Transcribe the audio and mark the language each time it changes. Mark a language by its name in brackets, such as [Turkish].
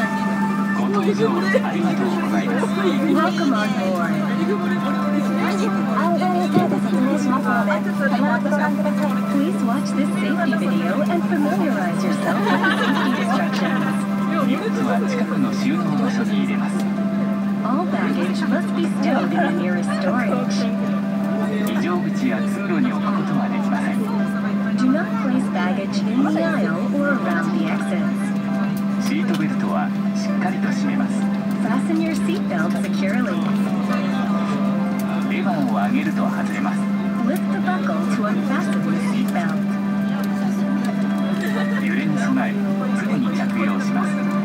[Japanese] 荷物は近くの収納場所に入れます。 [English] All baggage must be stowed in the nearest storage. [Japanese] 非常口や通路に置くことはできません。 [English] Do not place baggage in the aisle or around the exits. [Japanese] シートベルトはしっかりと締めます。 [English] Fasten your seatbelt securely. [Japanese] レバーを上げると外れます。 [English] Lift the buckle to unfasten your seatbelt. [Japanese] 揺れに備え常に着用します。